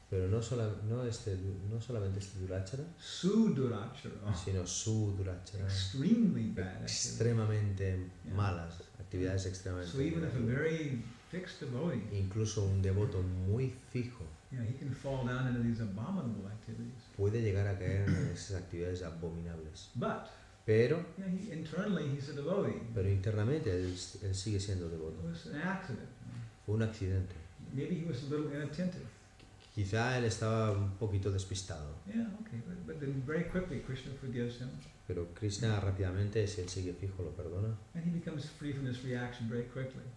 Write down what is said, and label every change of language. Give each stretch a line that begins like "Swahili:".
Spanish: Pero no solamente este Durachara, su Durachara, sino su Durachara,
English: extremely bad,
Spanish: extremamente
English: yeah.
Spanish: malas actividades, extremadamente
English: so even if a very fixed devotee,
Spanish: incluso un devoto muy fijo,
English: yeah, he can fall down into these abominable activities,
Spanish: puede llegar a caer en esas actividades abominables,
English: but
Spanish: pero
English: yeah, he, internally he's a devotee,
Spanish: pero internamente él sigue siendo devoto.
English: It was an accident.
Spanish: Fue un accidente.
English: Maybe he was a little inattentive.
Spanish: Quizá él estaba un poquito despistado.
English: Yeah, okay, but then very quickly Krishna forgives him.
Spanish: Pero Krishna rápidamente, si él sigue fijo, lo perdona.
English: And he becomes free from this reaction very quickly.